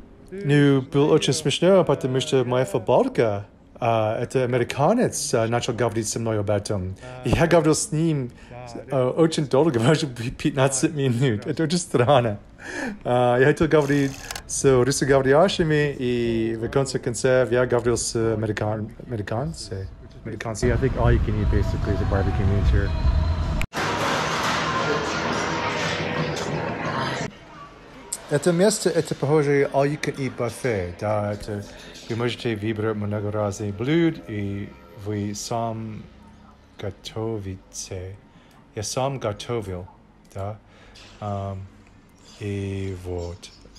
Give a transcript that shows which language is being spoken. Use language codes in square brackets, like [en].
[ru] Ну, было очень смешно, потому что моя футболка, это американец, начал говорить со мной об этом. И я говорил с ним очень долго, может, 15 минут. Это очень странно. Я хотел говорить с русскоговорящими, и в конце концов я говорил с американцами. [en] I think all you can eat, basically, is a barbecue meat here. [ru] Это место, это похоже [en] all you can eat buffet, [ru] да, это вы можете выбрать много разных блюд, и вы сам готовите, я сам готовил, да, и вот.